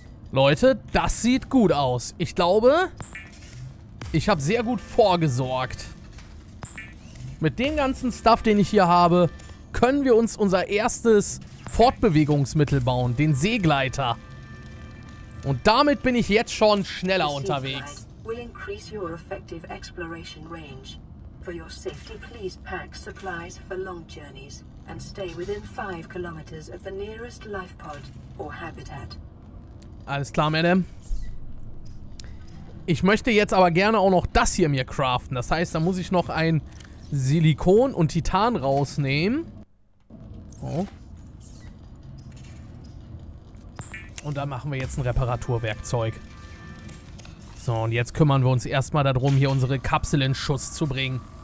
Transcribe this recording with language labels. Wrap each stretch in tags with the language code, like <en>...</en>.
<de>Leute, das sieht gut aus. Ich glaube, ich habe sehr gut vorgesorgt. Mit dem ganzen Stuff, den ich hier habe, können wir uns unser erstes Fortbewegungsmittel bauen, den Seegleiter. Und damit bin ich jetzt schon schneller unterwegs.</de> <en>Will increase your effective exploration range. For your safety, please pack supplies for long journeys and stay within 5 kilometers of the nearest life pod or habitat.</en> <de>Alles klar, Madam. Ich möchte jetzt aber gerne auch noch das hier mir craften. Das heißt, da muss ich noch ein Silikon und Titan rausnehmen. Oh. Und dann machen wir jetzt ein Reparaturwerkzeug. So, und jetzt kümmern wir uns erstmal darum, hier unsere Kapsel in Schuss zu bringen.</de>